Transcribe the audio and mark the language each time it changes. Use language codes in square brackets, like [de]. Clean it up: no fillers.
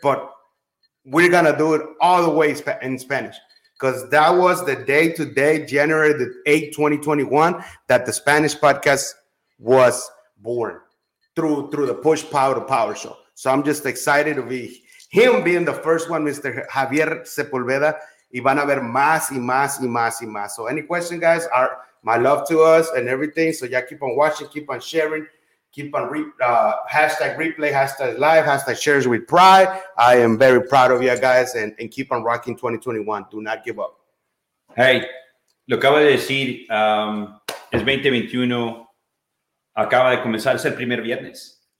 [en] But we're going to do it all the way in Spanish. Because that was the day to day, January the 8th, 2021, that the Spanish podcast was born through the Push Power to Power show. So, I'm just excited to be him being the first one, Mr. Javier Sepulveda. [es] Y van a ver más y más y más y más. [en] So, any question, guys? My love to us and everything. So, yeah, keep on watching, keep on sharing, keep on hashtag replay, hashtag live, hashtag shares with pride. I am very proud of you guys and keep on rocking 2021. Do not give up. [es] Hey, lo acabo de decir, es 2021, acaba de comenzar, es el primer viernes.